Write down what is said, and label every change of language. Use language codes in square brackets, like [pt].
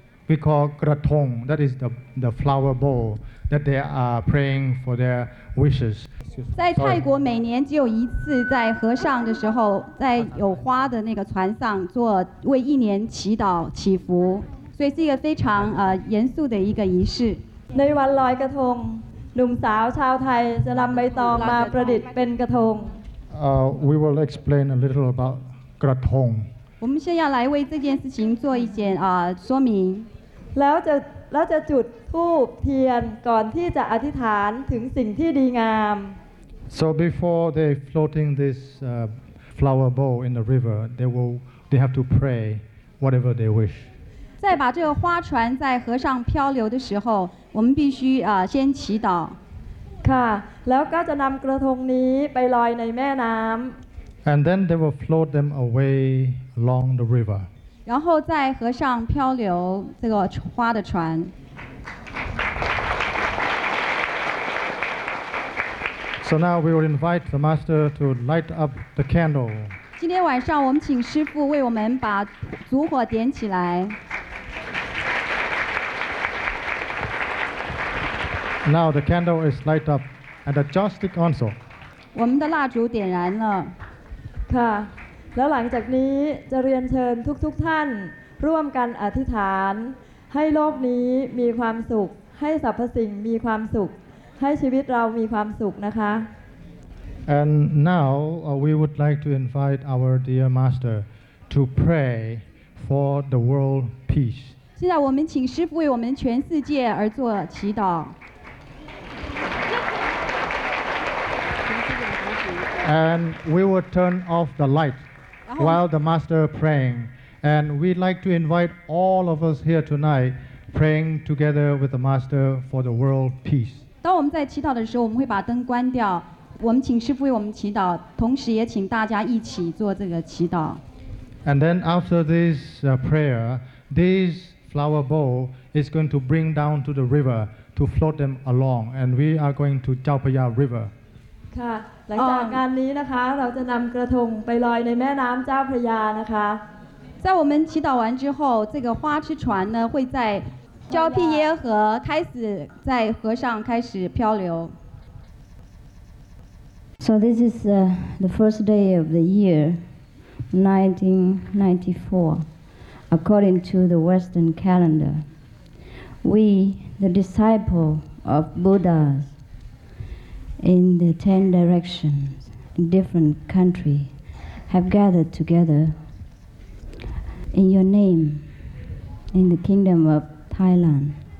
[en] We call Krathong. That is the flower bowl that they are praying for their wishes. [zh] 在泰国每年只有一次在河上的时候在有花的那个船上做为一年祈祷祈福所以是一个非常严肃的一个仪式 [th] ในวันลอยกระทงหนุ่มสาวชาวไทยจะนำใบตองมาประดิษฐ์เป็นกระทง [en] We will explain a little about กระทง [zh] 我们现在来为这件事情做一点啊说明。 [th] แล้วจะจุดธูปเทียนก่อนที่จะอธิษฐานถึงสิ่งที่ดีงาม [en] So before they floating this flower bowl in the river, they have to pray whatever they wish. [zh] 在把这个花船在河上漂流的时候，我们必须啊先祈祷。 [th] ค่ะ แล้วก็จะนำกระทงนี้ไปลอยในแม่น้ำ [en] And then they will float them away along the river. [zh] 然后在河上漂流这个花的船。 [en] So now we will invite the master to light up the candle. [zh] 今天晚上我们请师父为我们把烛火点起来。 [en] Now the candle is light up and the joss stick also. [zh] 我们的蜡烛点燃了。 [th] ค่ะแล้วหลังจากนี้จะเรียนเชิญทุกๆท่านร่วมกันอธิษฐานให้โลกนี้มีความสุขให้สรรพสิ่งมีความสุขให้ชีวิตเรามีความสุขนะคะ [en] And now we would like to invite our dear master to pray for the world peace [zh] 现在我们请师父为我们全世界而做祈祷 [en] And we would turn off the light while the master praying. And we'd like to invite all of us here tonight praying together with the master for the world peace. [zh] 当我们在祈祷的时候我们会把灯关掉我们请师父为我们祈祷同时也请大家一起做这个祈祷 [en] And then after this prayer, this flower bowl is going to bring down to the river to float them along. And we are going to Jaupaya River. [th] ค่ะหลังจากงานนี้นะคะเราจะนำกระทงไปลอยในแม่น้ำเจ้าพระยานะคะ [zh] 在我们祈祷完之后，这个花之船呢会在交替耶河开始在河上开始漂流。 [en] So this is the first day of the year, 1994, according to the Western calendar. We, the disciple of Buddha's. In the 10 directions, in different countries, have gathered together in your name, in the kingdom of Thailand.